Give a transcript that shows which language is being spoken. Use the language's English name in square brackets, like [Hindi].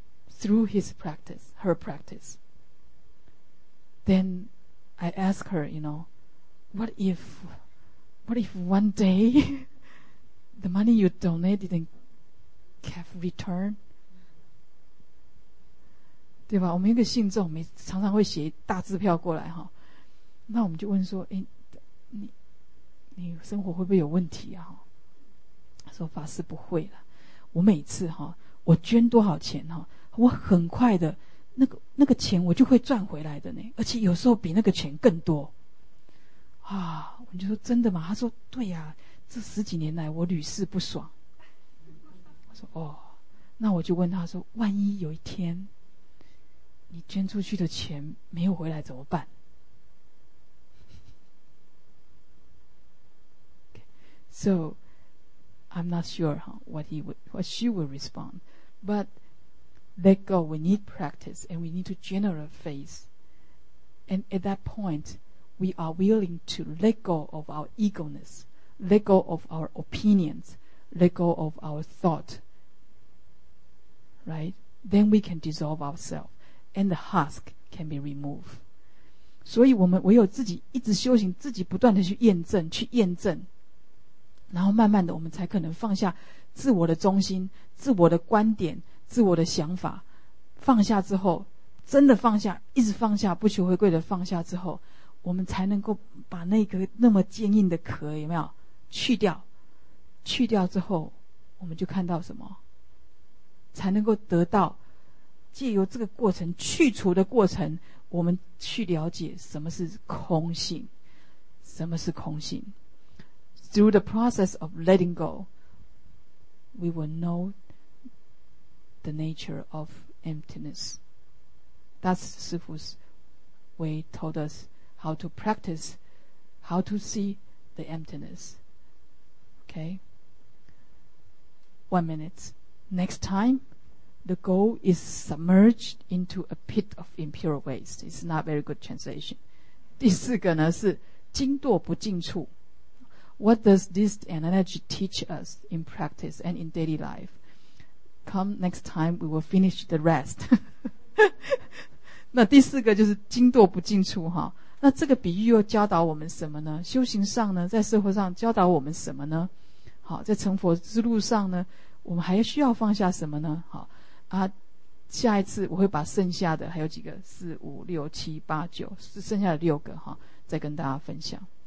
[English] Through his practice, her practice. Then I ask her, you know, what if one day the money you donate didn't have return? [Chinese] 对吧？我们一个信众每常常会写大支票过来哈，那我们就问说，哎，你生活会不会有问题啊？说法师不会了，我每次哈，我捐多少钱哈？我很快的那个钱我就会赚回来的呢，而且有时候比那个钱更多啊。我就说真的吗？他说对呀，这十几年来我屡试不爽。我说哦，那我就问他说，万一有一天你捐出去的钱没有回来怎么办？ [English] So I'm not sure what she would respond. But let go. We need practice, and we need to generate faith. And at that point, we are willing to let go of our egoness, let go of our opinions, let go of our thought. Right? Then we can dissolve ourselves, and the husk can be removed. [Chinese] 所以我们唯有自己一直修行，自己不断的去验证，去验证，然后慢慢的我们才可能放下自我的中心、自我的观点、自我的想法。放下之后，真的放下，一直放下，不求回归的放下之后，我们才能够把那个那么坚硬的壳有没有去掉？去掉之后，我们就看到什么？才能够得到借由这个过程去除的过程，我们去了解什么是空性，什么是空性。 [English] Through the process of letting go, we will know the nature of emptiness. That's Sifu's way told us how to practice, how to see the emptiness. Okay? 1 minute. Next time, the goal is submerged into a pit of impure waste. It's not very good translation. [Chinese] 第四个呢是经堕不净处。 [English] What does this analogy teach us in practice and in daily life? Come next time, we will finish the rest. [Chinese] 那第四个就是经堕不净处哈。那这个比喻又教导我们什么呢？修行上呢，在社会上教导我们什么呢？好，在成佛之路上呢，我们还需要放下什么呢？好啊，下一次我会把剩下的还有几个四五六七八九，是剩下的六个哈，再跟大家分享。